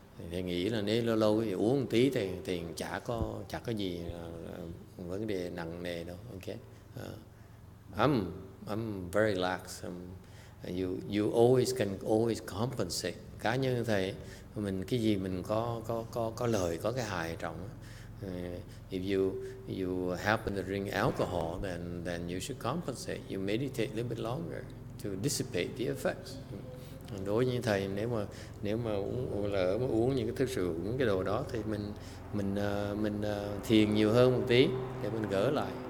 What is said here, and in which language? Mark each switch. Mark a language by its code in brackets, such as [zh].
[vi] Thì nghĩ là nếu lâu lâu thì uống một tí thì chả có gì vấn đề nặng nề đâu. Okay. [en] I'm very lax. You always can always compensate. [vi] Cá nhân thầy mình cái gì mình có lời có cái hại trọng. [en] If you happen to drink alcohol, then you should compensate. You meditate a little bit longer to dissipate the effects. [vi] Đối với thầy, nếu mà uống những cái thứ rượu, những cái đồ đó thì mình thiền nhiều hơn một tí để mình gỡ lại.